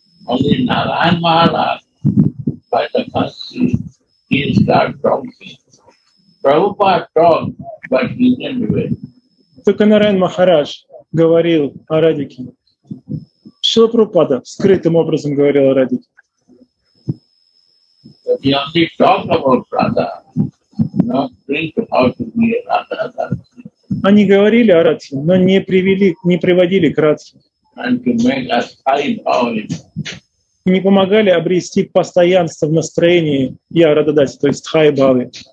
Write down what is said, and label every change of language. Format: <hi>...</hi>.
<en>Only Narayan Maharaj, by the mercy, he started talking. Prabhupada talked, but he didn't do it.</en> <ru>Только Нараян Махарадж говорил о Радике. Шрила Прабхупада скрытым образом говорил о Радике.</ru> <en>But he only talked about Radha, not think how to be a Radha.</en> <ru>Они говорили о Радхе, но не привели, не приводили к Радхе.</ru> <en>And to make us high power.</en> <ru>Не помогали обрести постоянство в настроении я радодати, то есть хай бхавы.</ru>